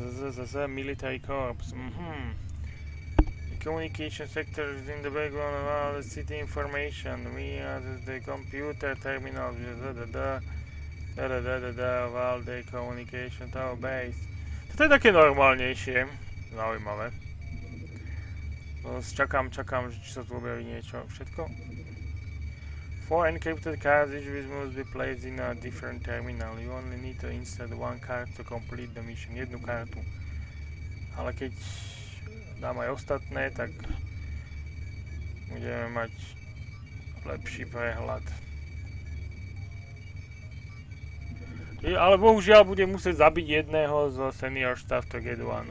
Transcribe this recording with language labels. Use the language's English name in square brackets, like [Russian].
[English] Zase military corps, Communication sector is in the background of all the city information. We are the computer terminal of all the communication tower base. [Slovak] To je také normálnejšie. Zaujímavé. Čakám, že či sa tu objaví niečo. Všetko? [English] Four encrypted cards, each of must be placed in a different terminal. You only need to insert one card to complete the mission. [Slovak] Jednu kartu. Ale keď dám aj ostatné, tak budeme mať lepší prehľad. Ale bohužiaľ bude musieť zabiť jedného z senior staff Togeduan.